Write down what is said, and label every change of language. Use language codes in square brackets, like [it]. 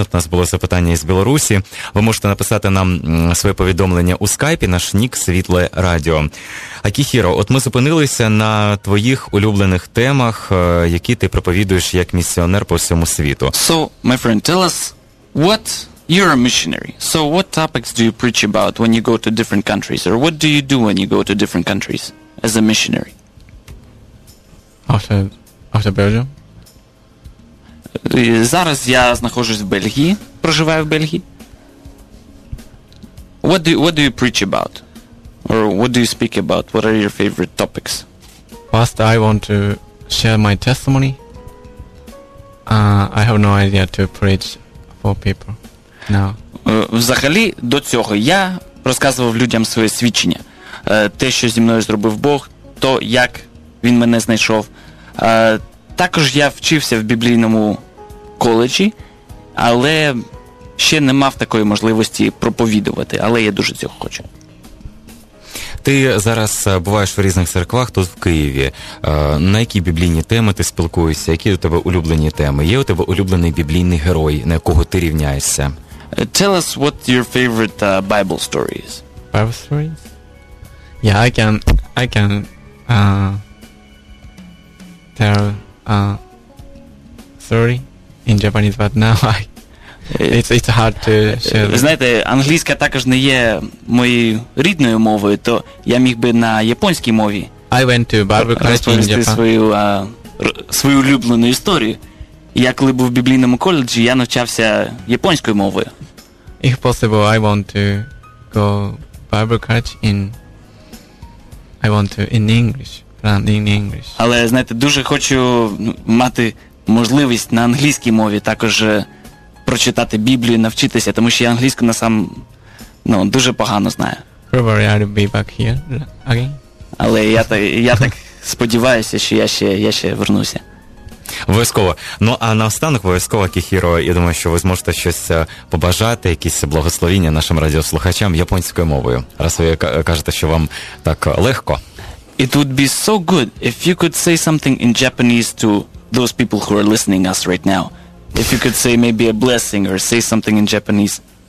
[uk] От у нас було запитання із Білорусі. Ви можете написати нам своє повідомлення у скайпі, наш нік Світле Радіо. Акіхіро, от ми зупинилися на твоїх улюблених темах, які ти проповідуєш як місіонер по всьому світу. [en] So, my friend, tell us, what... You're a missionary. So what topics do you preach about when you go to different countries? Or what do you do when you go to different countries as a missionary? After Belgium? [uk] Зараз я знаходжусь в Бельгії, проживаю в Бельгії. [en] What do you preach about? Or what do you speak about? What are your favorite topics? First, I want to share my testimony. I have no idea to preach for people. No. [uk] Взагалі, до цього я розказував людям своє свідчення. Те, що зі мною зробив Бог, то, як він мене знайшов. Також я вчився в біблійному коледжі, але ще не мав такої можливості проповідувати, але я дуже цього хочу. Ти зараз буваєш в різних церквах тут в Києві. На які біблійні теми ти спілкуєшся? Які у тебе улюблені теми? Є у тебе улюблений біблійний герой, на якого ти рівняєшся? [en] Tell us what your favorite Bible story is. Bible stories? Yeah, I can tell story in Japanese, but now it's hard to share. [uk] Знаєте, англійська також не є моєю рідною мовою, то я міг би на японській мові. [en] I went to Bible class in Japan. [uk] Свою улюблену історію. Я коли був в біблійному коледжі, я навчався японською мовою. [en] If possible, I want to go Bible college in. I want to in English, learn in English. [uk] Але знаєте, дуже хочу мати можливість на англійській мові також прочитати Біблію, навчитися, тому що я англійську дуже погано знаю. [en] Probably I'll be back here again. [uk] Але я так сподіваюся, що я ще вернуся. Обов'язково. Ну, а наостанок обов'язково, Кіхіро, я думаю, що ви зможете щось побажати, якісь благословіння нашим радіослухачам японською мовою, раз ви кажете, що вам так легко. [en] It would be so good if you could say something in Japanese to those people who are listening us right now. If you could say maybe a blessing or say something in Japanese.